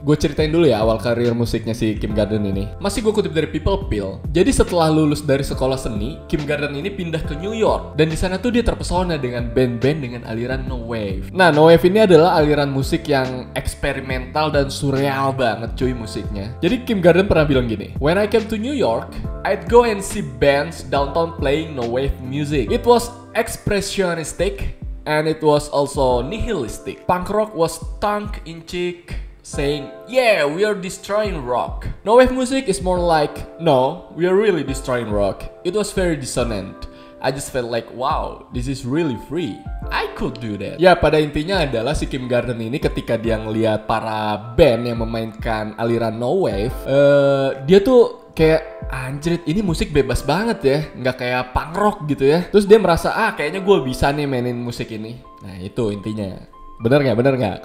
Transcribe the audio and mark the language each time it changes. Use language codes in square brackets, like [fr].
[id] Gue ceritain dulu ya awal karir musiknya si Kim Gordon ini. Masih gue kutip dari People Pill. Jadi setelah lulus dari sekolah seni, Kim Gordon ini pindah ke New York. Dan di sana tuh dia terpesona dengan band-band dengan aliran No Wave. Nah, No Wave ini adalah aliran musik yang eksperimental dan surreal banget cuy musiknya. Jadi Kim Gordon pernah bilang gini, [en] "When I came to New York, I'd go and see bands downtown playing no wave music. It was expressionistic and it was also nihilistic. Punk rock was tongue in cheek saying, 'Yeah, we are destroying rock.' No wave music is more like, 'No, we are really destroying rock.' It was very dissonant. I just felt like, 'Wow, this is really free. I could do that.'" [id] Ya, pada intinya adalah si Kim Gordon ini ketika dia ngeliat para band yang memainkan aliran no wave, dia tuh kayak, anjrit, ini musik bebas banget ya, nggak kayak punk rock gitu ya. Terus dia merasa, ah kayaknya gue bisa nih mainin musik ini. Nah, itu intinya. Bener nggak?